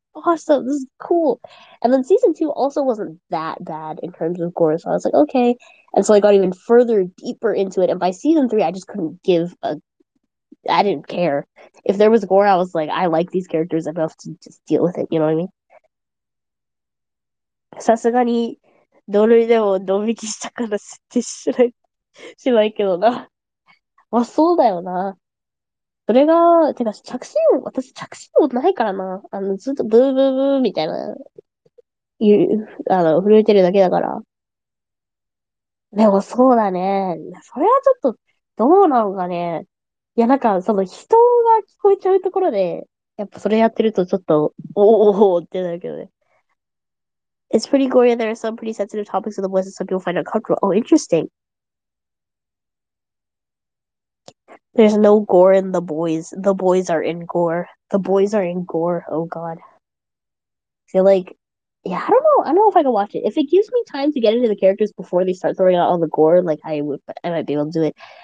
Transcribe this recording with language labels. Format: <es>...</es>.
<en>Awesome, this is cool. And then season two also wasn't that bad in terms of gore, so I was like, okay. And so I got even further deeper into it. And by season three, I just couldn't give a. I didn't care. If there was gore, I was like, I like these characters enough to just deal with it, you know what I mean?</en> <ja>さすがに、どれでもドン引きしたから設定しないけどな。まあ、そうだよな。それが、てか、着信音、私着信音ないからな。ずっとブーブーブーみたいな。震えてるだけだから。でもそうだね。それはちょっと、どうなのかね。いや、なんか、その人が聞こえちゃうところで、やっぱそれやってるとちょっと、おおおおってなるけどね。</ja> <en>It's pretty gory and there are some pretty sensitive topics in the voice that some people find uncomfortable. Oh, interesting. There's no gore in the boys. The boys are in gore. The boys are in gore. Oh, God. Feel like, yeah, I don't know if I can watch it. If it gives me time to get into the characters before they start throwing out all the gore, like, I might be able to do it.</en>